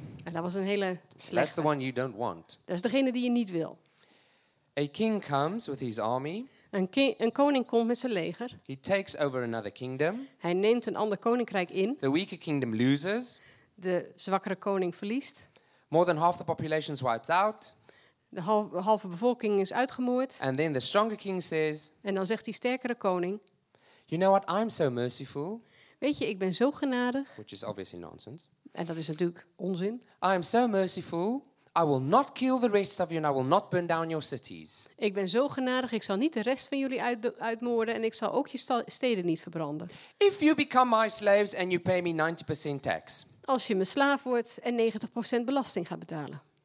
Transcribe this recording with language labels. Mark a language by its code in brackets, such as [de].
[nl] En dat was een hele slechte. [en] That's the one you don't want. [nl] Dat is degene die je niet wil. [en] A king comes with his army. [nl] Een koning komt met zijn leger. [en] He takes over another kingdom. [nl] Hij neemt een ander koninkrijk in. [en] The weaker kingdom loses. [nl] De zwakkere koning verliest. [en] More than half the population is wiped out. [nl] De halve bevolking is uitgemoord. [en] And then the stronger king says. [nl] En dan zegt die sterkere koning. [en] You know what? I'm so merciful. [nl] Weet je, ik ben zo genadig. [en] Which is obviously nonsense. [nl] En dat is natuurlijk onzin. [en] I am so merciful. I will not kill the rest of you and I will not burn down your cities. [nl] Ik ben zo genadig. Ik zal niet de rest van jullie uitmoorden en ik zal ook je steden niet verbranden. [en] If you become my slaves and you pay me 90% tax. [nl] Als je mijn slaaf wordt en 90% belasting gaat betalen.